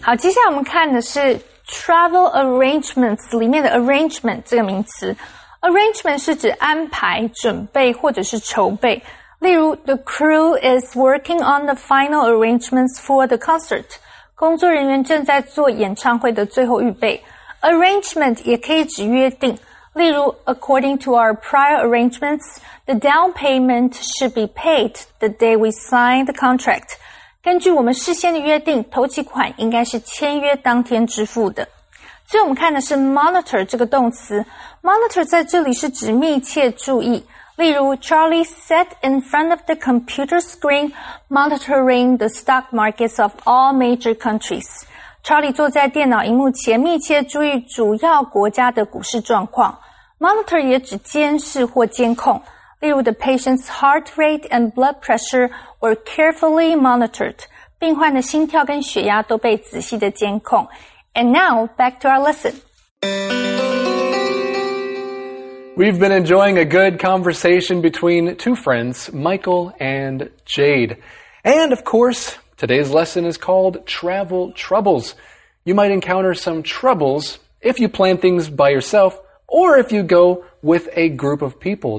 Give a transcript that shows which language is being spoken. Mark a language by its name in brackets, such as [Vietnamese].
[Chinese] 好，接下来我们看的是 travel arrangements 里面的 arrangement 这个名词。 Arrangement 是指安排、准备或者是筹备。例如 [English] ,the crew is working on the final arrangements for the concert. [Chinese] 工作人员正在做演唱会的最后预备。Arrangement 也可以指约定。例如 [English] ,according to our prior arrangements, the down payment should be paid the day we sign the contract. [Chinese] 根据我们事先的约定，头期款应该是签约当天支付的。所以我们看的是 monitor 这个动词。Monitor 在这里是指密切注意。例如 [English] ,Charlie sat in front of the computer screen, monitoring the stock markets of all major countries. [Chinese] Charlie 坐在电脑荧幕前密切注意主要国家的股市状况。 Monitor 也指监视或监控。例如 [English] ,the patient's heart rate and blood pressure were carefully monitored. [Chinese] 病患的心跳跟血压都被仔细的监控。 [English] And now, back to our lesson. We've been enjoying a good conversation between two friends, Michael and Jade. And of course, today's lesson is called Travel Troubles. You might encounter some troubles if you plan things by yourself or if you go with a group of people.